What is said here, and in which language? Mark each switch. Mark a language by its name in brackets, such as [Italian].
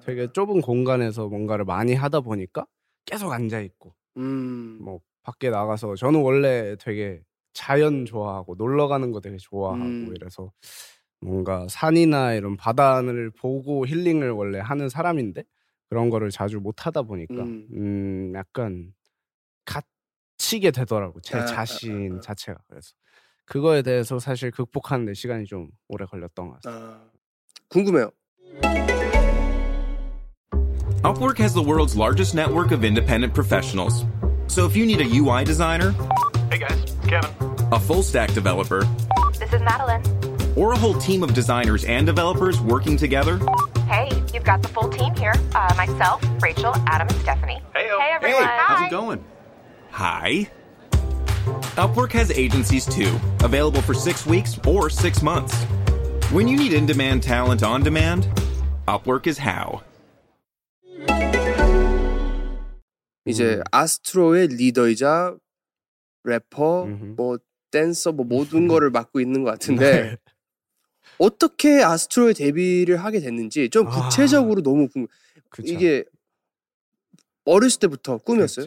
[Korean] 되게 좁은 공간에서 뭔가를 많이 하다 보니까 계속 앉아있고 뭐 밖에 나가서 저는 원래 되게 자연 좋아하고 놀러 가는 거 되게 좋아하고 이래서 뭔가 산이나 이런 바다 하늘을 보고 힐링을 원래 하는 사람인데 그런 거를 자주 못하다 보니까 약간 갇히게 되더라고 제 자신 자체가 그래서 그거에 대해서 사실 극복하는 데 시간이 좀 오래 걸렸던 것 같아요. 궁금해요. [English] Upwork has the world's largest network of independent professionals. So if you need a UI designer, hey guys, Kevin, a full stack developer, this is Madeline, or a whole team of designers and developers working together, hey, you've got the full team here. Myself, Rachel, Adam, and Stephanie. Heyo. Hey everyone. Hey, how's it going? Hi. Upwork has agencies too, available for 6 weeks or 6 months. When you need in-demand talent on demand, Upwork is how. [Korean] 이제 아스트로의 리더이자 래퍼, 뭐 댄서, 뭐 모든 거를 맡고 있는 것 같은데 어떻게 아스트로에 데뷔를 하게 됐는지 좀 구체적으로 아, 너무 궁금해. 이게 어렸을 때부터 꿈이었어요?